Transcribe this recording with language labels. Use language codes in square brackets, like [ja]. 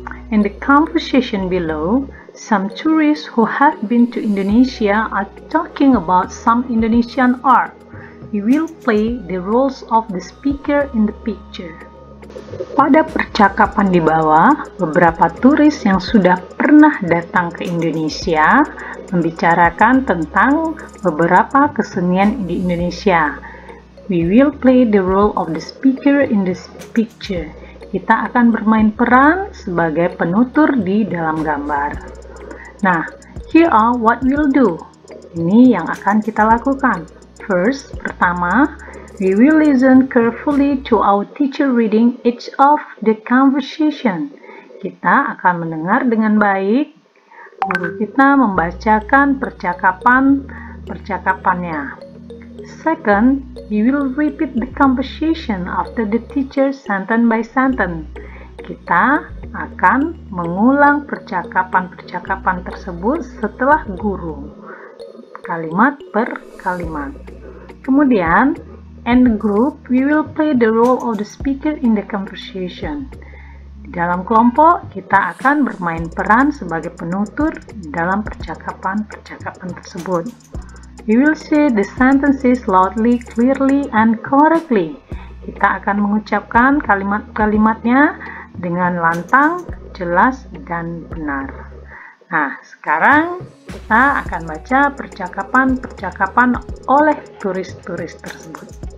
[en] In the conversation below, some tourists who have been to Indonesia are talking about some Indonesian art. You will play the roles of the speaker in the picture. [id] Pada percakapan di bawah, beberapa turis yang sudah pernah datang ke Indonesia membicarakan tentang beberapa kesenian di Indonesia. [en] We will play the role of the speaker in this picture. [id] Kita akan bermain peran sebagai penutur di dalam gambar. [en] Nah, here are what we'll do. [id] Ini yang akan kita lakukan. [en] First, [id] pertama, [en] we will listen carefully to our teacher reading each of the conversation. [id] Kita akan mendengar dengan baik guru kita membacakan percakapannya. [en] Second, we will repeat the conversation after the teacher sentence by sentence. [id] Kita akan mengulang percakapan-percakapan tersebut setelah guru, kalimat per kalimat. Kemudian, [en] and the group, we will play the role of the speaker in the conversation. [id] Di dalam kelompok, kita akan bermain peran sebagai penutur dalam percakapan-percakapan tersebut. [en] We will say the sentences loudly, clearly, and correctly. [id] Kita akan mengucapkan kalimat-kalimatnya dengan lantang, jelas, dan benar. Nah, sekarang kita akan baca percakapan-percakapan oleh turis-turis tersebut.